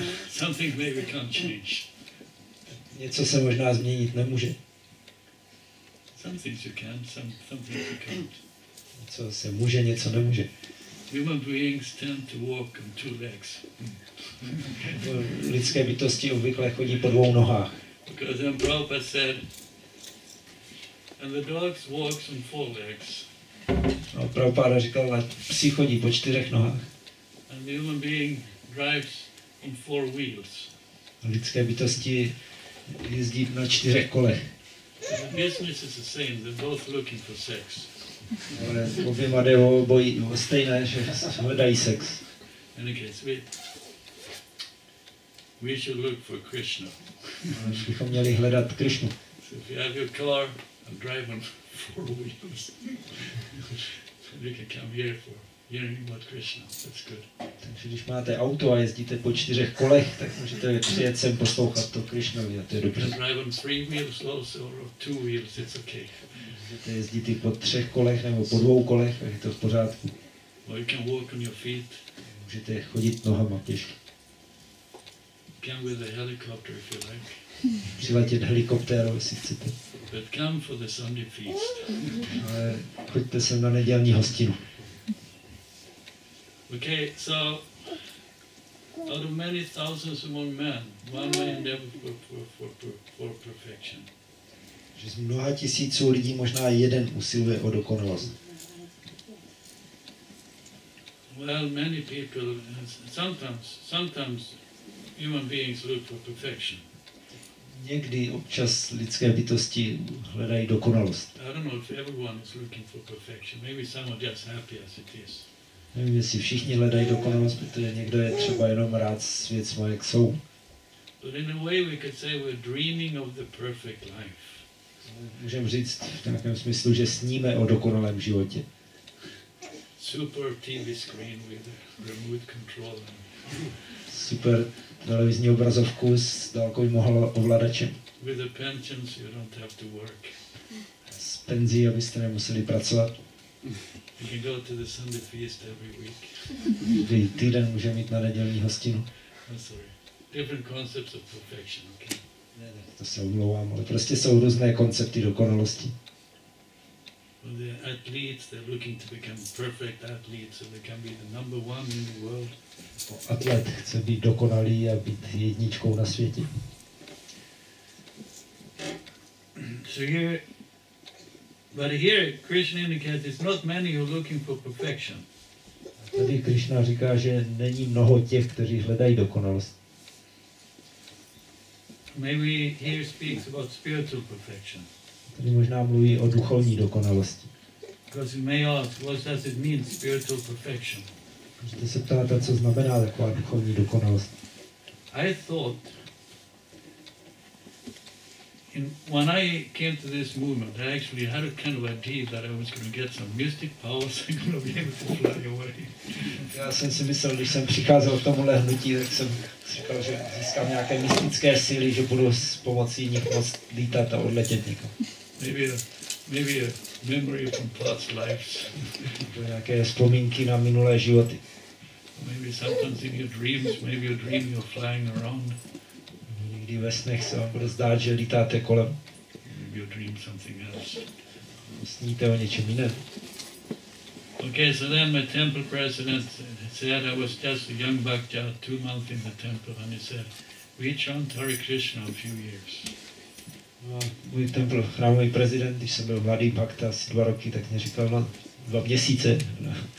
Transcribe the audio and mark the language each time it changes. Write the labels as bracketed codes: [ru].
[en] Something maybe can't change. [cs] Něco se možná změnit nemůže. [en] Some things you can, some things you can't. [cs] Něco se může, něco nemůže. [en] Human beings tend to walk on two legs. [cs] Lidské bytosti obvykle chodí po dvou nohách. [en] Because then Prabhupada said, and the dogs walk on four legs. [cs] No, Prabhupada říkal, ale psi chodí po čtyřech nohách. [en] And the human being drives on four wheels. [cs] Lidské bytosti jezdí na čtyřech kolech. [en] The business is the same, they're both looking for sex. [cs] Ale oběma jde o obojí, o stejné, že hledají sex. [en] In any case, we should look for Krishna. [cs] Ale bychom měli hledat Krishnu. [en] So if you have your car, I'm driving four wheels. You can come here for hearing about Krishna, that's good. [cs] Takže když máte auto a jezdíte po čtyřech kolech, tak můžete přijet sem poslouchat to Krishnovi a to je dobře. [en] You can drive on three wheels also, or two wheels, it's okay. [cs] Můžete jezdit i po třech kolech nebo po dvou kolech, tak je to v pořádku. [en] Or you can walk on your feet. [cs] Můžete chodit nohama těžko. [en] Come with a helicopter if you like. [cs] Přiletět helikoptéru, jestli chcete. [en] But come for the Sunday feast. [cs] Ale choďte sem na nedělní hostinu. [en] Okay, so out of many thousands among men, one may endeavor for perfection. [cs] Že z mnoha tisíců lidí možná jeden usiluje o dokonalost. [en] Well, many people, sometimes human beings look for perfection. [cs] Někdy občas lidské bytosti hledají dokonalost. [en] I don't know if everyone is looking for perfection. Maybe some are just happy as it is. [cs] Nevím, jestli všichni hledají dokonalost, protože někdo je třeba jenom rád svět svoje, jak jsou. [en] But in a way we could say we're dreaming of the perfect life. [cs] Můžeme říct v nějakém smyslu, že sníme o dokonalém životě. [en] Super TV screen with remote control. [cs] Super televizní obrazovku s dálkovým ovladačem. [en] With a pension, so you don't have to work. [cs] S penzí, abyste nemuseli pracovat. [en] You can go to the Sunday feast every week. [cs] Každý týden můžeme mít na nedělní hostinu. [en] I'm sorry. Different concepts of perfection, okay? [cs] Ne, to se omlouvám, ale prostě jsou různé koncepty dokonalosti. [en] Well, the athletes, they're looking to become perfect athletes, so they can be the number one in the world. [cs] Atlet chce být dokonalý a být jedničkou na světě. [en] So here, but here Krishna indicates it's not many who are looking for perfection. [cs] A tady Krishna říká, že není mnoho těch, kteří hledají dokonalost. [en] Maybe here speaks about spiritual perfection. [cs] Tady možná mluví o duchovní dokonalosti. [en] Because you may ask, what does it mean, spiritual perfection? [cs] Můžete se ptát, co znamená taková duchovní dokonalost. [en] I thought, when I came to this movement, I actually had a kind of idea that I was going to get some mystic powers and going to be able to fly away. [cs] Já jsem si myslel, když jsem přicházel k tomuhle hnutí, tak jsem říkal, že získám nějaké mystické síly, že budu s pomocí nich moct lítat a odletět někam. [en] Maybe a memory from past lives. [cs] To nějaké vzpomínky na minulé životy. [en] Maybe sometimes in your dreams, maybe you dream you're flying around. [cs] Někdy ve snech se vám bude zdát, že lítáte kolem. [en] Maybe you dream something else. [cs] Sníte o něčem jiném. [en] Okay, so then my temple president said I was just a young bhakta, 2 months in the temple, and he said, we chant Hare Krishna a few years. [cs] No, můj tempel, chrámový prezident, když jsem byl mladý bhakta asi 2 roky, tak mě říkal, no, 2 měsíce. No.